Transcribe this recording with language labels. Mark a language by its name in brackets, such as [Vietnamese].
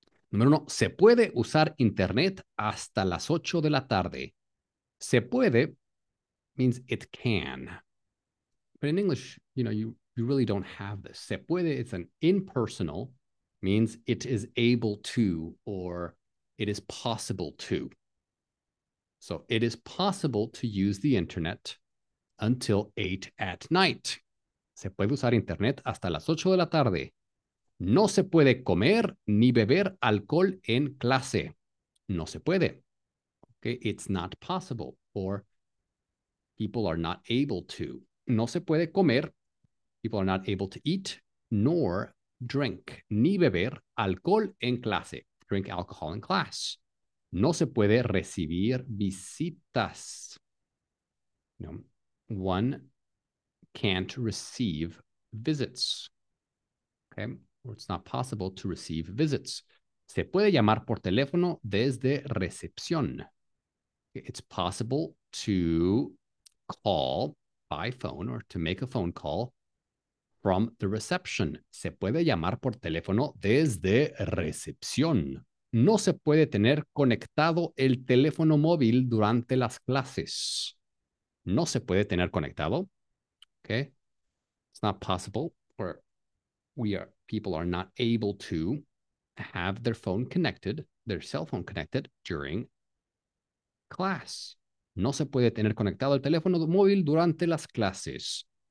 [Spanish] Número uno, se puede usar internet hasta las 8 de la tarde. Se puede. [English] Means it can. But in English, you know, you really don't have this. [Spanish] Se puede, [English] it's an impersonal, means it is able to or it is possible to. So it is possible to use the internet until 8 at night. [Spanish] Se puede usar internet hasta las 8 de la tarde. No se puede comer ni beber alcohol en clase. No se puede. [English] Okay, it's not possible or people are not able to. [Spanish] No se puede comer. [English] People are not able to eat nor drink. [Spanish] Ni beber alcohol en clase. [English] Drink alcohol in class. [Spanish] No se puede recibir visitas. No. [English] One can't receive visits. Okay. Or it's not possible to receive visits. [Spanish] Se puede llamar por teléfono desde recepción. [English] It's possible to call by phone or to make a phone call from the reception. [Spanish] Se puede llamar por teléfono desde recepción. No se puede tener conectado el teléfono móvil durante las clases. No se puede tener conectado. Okay. [English] It's not possible or people are not able to have their phone connected, their cell phone connected during class. [Spanish] No se puede tener conectado el teléfono móvil durante las clases.